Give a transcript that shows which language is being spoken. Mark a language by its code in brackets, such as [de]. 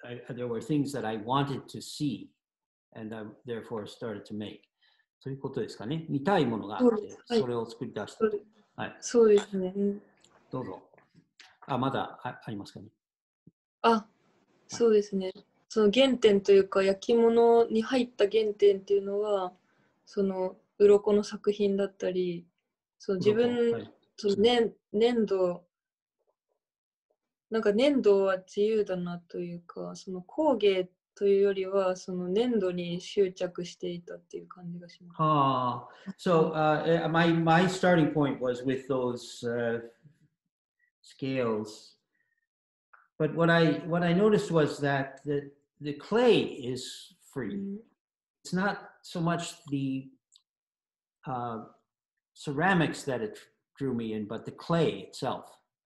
[en] There were things that I wanted to see, and I therefore started to make. [ja] そういうことですかね。見たいものがあって、それを作り出した、はい。そうですね。どうぞ。あ、まだありますかね。あ、そうですね。その原点というか、焼き物に入った原点っていうのは、その鱗の作品だったり、その自分、はい、その粘土、なんか粘土は自由だなというか、その工芸ってというよりは、その粘土に執着していたっていう感じがします。はあ。 [en] So, my starting point was with those scales. But what I noticed was that the clay is free. It's not so much the ceramics that it drew me in, but the clay itself.